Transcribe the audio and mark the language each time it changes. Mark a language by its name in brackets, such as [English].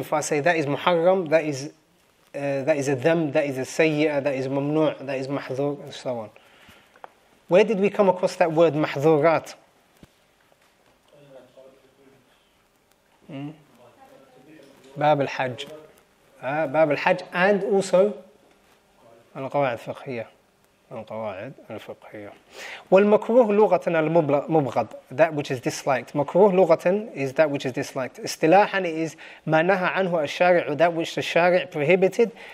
[English] If I say that is muharram, that is a dhanb, that is a sayyi'ah, that is mamnu', that is mahzur, and so on. Where did we come across that word mahzurat? Bab al-Hajj. Bab al-Hajj, and also al-Qawa'id Fiqhiyah. [Arabic] القواعد الفقهية والمكروه لغة المبغض, [English] that which is disliked. مكروه لغة is that which is disliked. استلاحا is [Arabic] ما نهى عنه الشارع, [English] that which the شارع prohibited.